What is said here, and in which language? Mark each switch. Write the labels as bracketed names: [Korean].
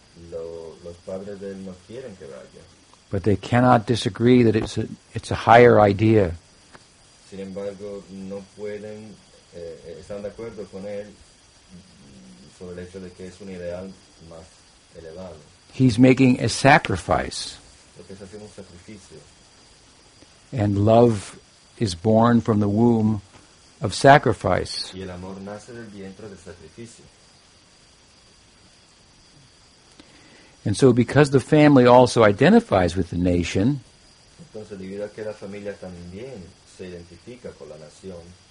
[Spanish] Los padres de él no quieren que vaya. [English] But they cannot disagree that it's a higher idea. [Spanish] Sin embargo, no pueden estar de acuerdo con él sobre el hecho de que es un ideal más elevado. [English] He's making a sacrifice. [Spanish] Porque está haciendo un sacrificio. [English] And love is born from the womb of sacrifice. [Spanish] Y el amor nace del vientre del sacrificio. [English] And so because the family also identifies with the nation, [Spanish] entonces, debido a que la familia también se identifica con la nación,